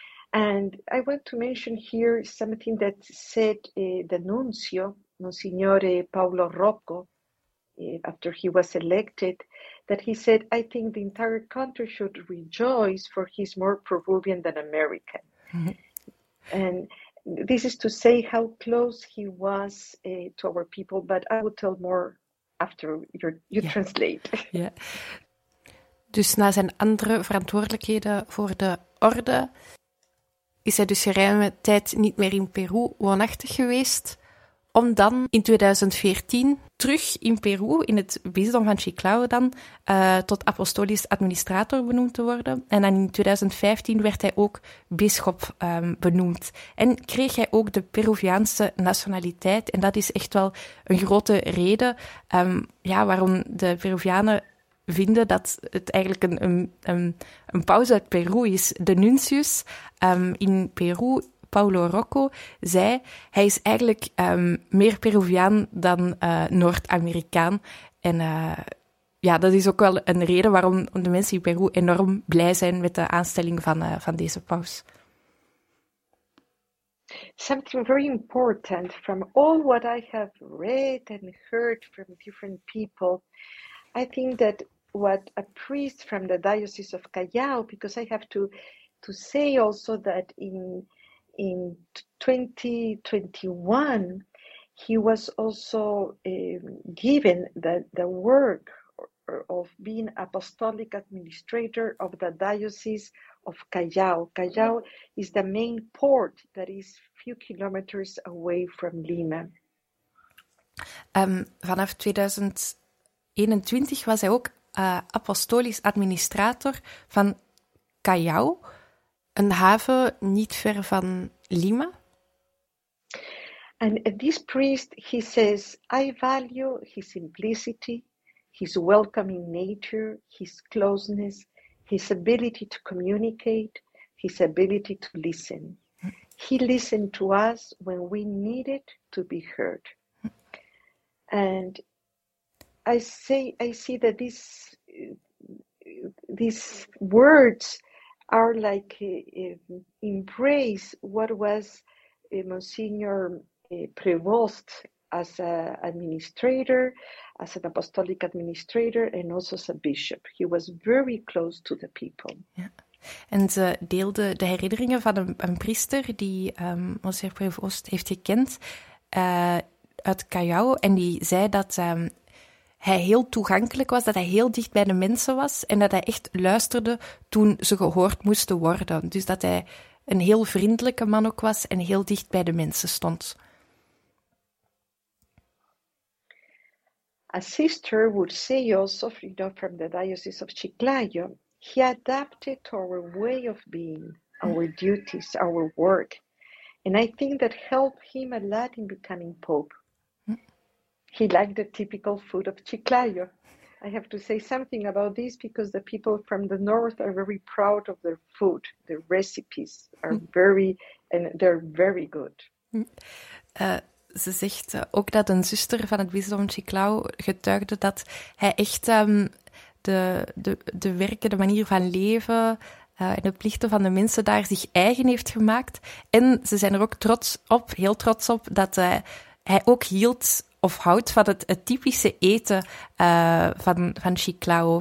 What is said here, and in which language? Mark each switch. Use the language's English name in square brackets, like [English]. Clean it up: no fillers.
[English] And I want to mention here something that said the nuncio, Monsignore Paolo Rocco, after he was elected, that he said, I think the entire country should rejoice, for he's more Peruvian than American. And this is to say how close he was to our people, but I will tell more after you translate. Yeah. [Dutch] Dus na zijn andere verantwoordelijkheden voor de orde, is hij dus geruime tijd niet meer in Peru woonachtig geweest, om dan in 2014 terug in Peru, in het bisdom van Chiclayo dan, tot apostolisch administrator benoemd te worden. En dan in 2015 werd hij ook bisschop benoemd. En kreeg hij ook de Peruviaanse nationaliteit. En dat is echt wel een grote reden waarom de Peruvianen vinden dat het eigenlijk een paus uit Peru is. De nuncius in Peru, Paolo Rocco, zei, hij is eigenlijk meer Peruviaan dan Noord-Amerikaan. En dat is ook wel een reden waarom de mensen in Peru enorm blij zijn met de aanstelling van deze paus. [English] Something very important from all what I have read and heard from different people, I think that what a priest from the Diocese of Callao, because I have to say also that in 2021, he was also given the work of being apostolic administrator of the Diocese of Callao. Callao is the main port that is few kilometers away from Lima. [Dutch] Vanaf 2021 was hij ook apostolisch administrator van Callao, een haven niet ver van Lima. [English] And this priest, he says, I value his simplicity, his welcoming nature, his closeness, his ability to communicate, his ability to listen. He listened to us when we needed to be heard. And I see that these words are like embrace what was Monsignor Prevost as an administrator, as an apostolic administrator, and also as a bishop. He was very close to the people. Yeah. [Dutch] En ze deelde de herinneringen van een priester die Monsignor Prevost heeft gekend uit Callao, en die zei dat hij heel toegankelijk was, dat hij heel dicht bij de mensen was en dat hij echt luisterde toen ze gehoord moesten worden. Dus dat hij een heel vriendelijke man ook was en heel dicht bij de mensen stond. [English] A sister would say also, you know, from the diocese of Chiclayo, he adapted to our way of being, our duties, our work. And I think that helped him a lot in becoming pope. He liked the typical food of Chiclayo. I have to say something about this because the people from the north are very proud of their food. Their recipes are very, and they're very good. [Dutch] Ze zegt ook dat een zuster van het bisdom Chiclayo getuigde dat hij echt de werken, de manier van leven en de plichten van de mensen daar zich eigen heeft gemaakt. En ze zijn er ook trots op, heel trots op, dat hij ook hield of houdt van het typische eten van Chiclayo.